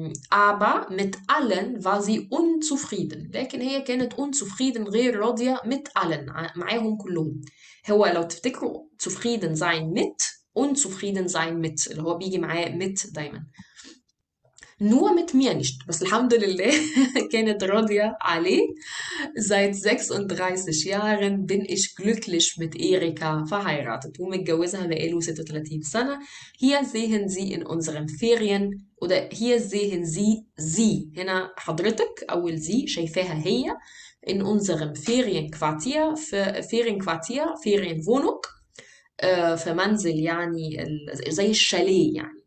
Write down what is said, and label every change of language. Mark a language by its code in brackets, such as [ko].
[de] Aber mit allen war sie unzufrieden. [ar] لكن هي كانت unzufrieden, غير راضية, [de] mit allen, [ar] معاهم كلهم. هو لو تفتكروا zufrieden sein mit, unzufrieden sein mit, اللي هو بيجي معاه mit دايما. [de] Nur mit mir nicht, [ar] بس الحمد لله كانت راضية عليه. [de] Seit 36 Jahren bin ich glücklich mit Erika verheiratet. [ar] ومتجوزها بقاله 36 سنة. [de] Hier sehen Sie in unseren Ferien, oder hier sehen Sie sie, [ar] هنا حضرتك, [de] أول sie, [ar] شايفاها هي, [de] in unserem Ferienquartier, für Ferienquartier, Ferienwohnung, für منزل [ar] يعني زي الشاليه يعني.